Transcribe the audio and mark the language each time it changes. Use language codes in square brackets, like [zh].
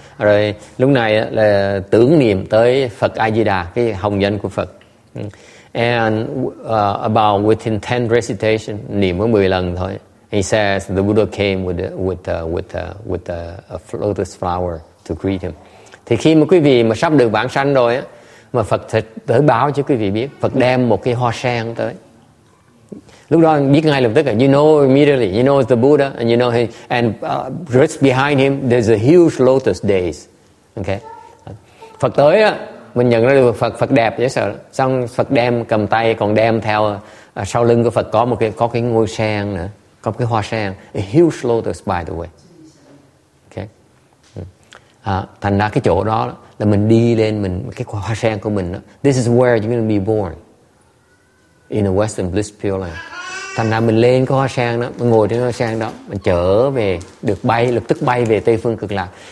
[vi] Rồi lúc này là tưởng niệm tới Phật A Di Đà, cái hồng danh của Phật. [en] And about within 10 recitation, [vi] niệm có 10 lần thôi, [en] he says the Buddha came with a lotus flower to greet him. [vi] Thì khi mà quý vị mà sắp được vãng sanh rồi á, mà Phật tới báo cho quý vị biết, Phật đem một cái hoa sen tới. Lúc đó biết ngay lập tức là [en] you know immediately, you know it's the Buddha, and you know he, and just behind him there's a huge lotus dais. Okay. [vi] Phật tới á, mình nhận ra được Phật Phật đẹp dễ sợ. Xong Phật đem cầm tay còn đem theo sau lưng của Phật có cái ngôi sen nữa, có cái hoa sen, [en] a huge lotus by the way. [vi] Thành ra cái chỗ đó là mình đi lên mình cái hoa sen của mình đó. [en] This is where you're going to be born in the Western Bliss Pure Land. [vi] Thành ra mình lên cái hoa sen đó, mình ngồi trên hoa sen đó, mình trở về được bay lập tức bay về Tây Phương Cực Lạc.